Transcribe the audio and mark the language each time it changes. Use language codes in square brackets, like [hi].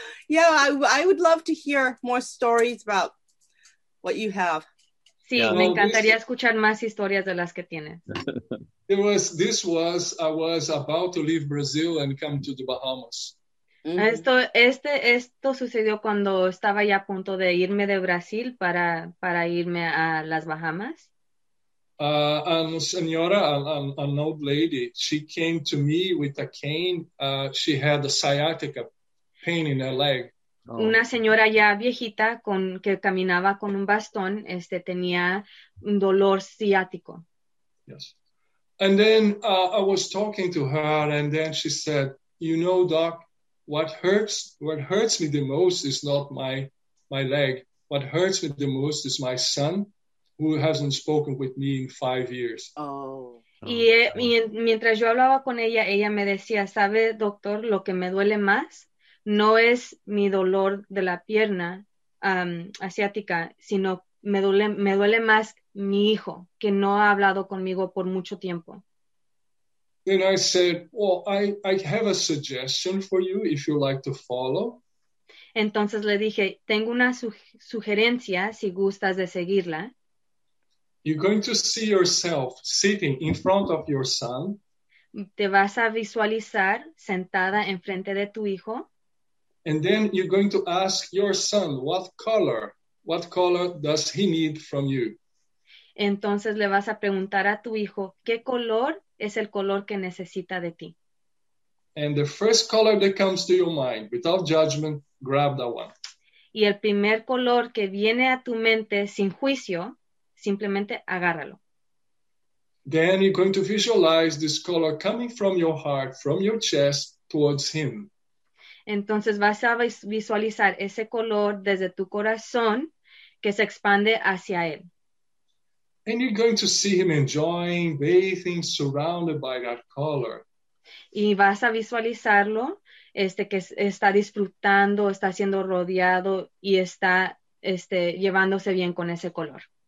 [en] I would love to hear more stories about what you have. [es] Sí, yeah. Me encantaría escuchar más historias de las que tienes. [en] I was about to leave Brazil and come to the Bahamas. [es] Esto sucedió cuando estaba ya a punto de irme de Brasil para irme a las Bahamas. [en] An old lady, she came to me with a cane. She had a sciatica pain in her leg. [es] Una señora ya viejita que caminaba con un bastón, tenía un dolor ciático. [en] Yes. And then I was talking to her, and then she said, "You know, doc, what hurts me the most is not my leg. What hurts me the most is my son, who hasn't spoken with me in 5 years." Oh. [es] Y mientras yo hablaba con ella, ella me decía, "¿Sabe, doctor, lo que me duele más no es mi dolor de la pierna asiática, sino me duele más mi hijo, que no ha hablado conmigo por mucho tiempo." [en] Then I said, "Well, I have a suggestion for you if you like to follow." [es] Entonces le dije, "Tengo una sugerencia si gustas de seguirla." [en] You're going to see yourself sitting in front of your son. [es] Te vas a visualizar sentada en frente de tu hijo. [en] And then you're going to ask your son, what color does he need from you? [es] Entonces le vas a preguntar a tu hijo, ¿qué color es el color que necesita de ti? [en] And the first color that comes to your mind, without judgment, grab that one. [es] Y el primer color que viene a tu mente sin juicio, simplemente agárralo. [en] Then you're going to visualize this color coming from your heart, from your chest, towards him. [es] Entonces vas a visualizar ese color desde tu corazón que se expande hacia él. [en] And you're going to see him enjoying bathing surrounded by that color. [es] Y vas a visualizarlo que está disfrutando, está siendo rodeado y está llevándose bien con ese color.